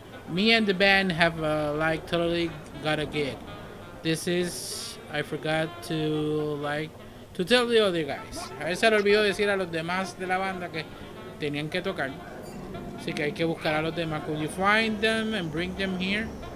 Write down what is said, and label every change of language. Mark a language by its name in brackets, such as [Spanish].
[English] Me and the band have like totally got a gig. This is, I forgot to like, to tell the other guys. [Spanish] A veces se le olvidó decir a los demás de la banda que tenían que tocar. Así que hay que buscar a los demás. [English] Could you find them and bring them here?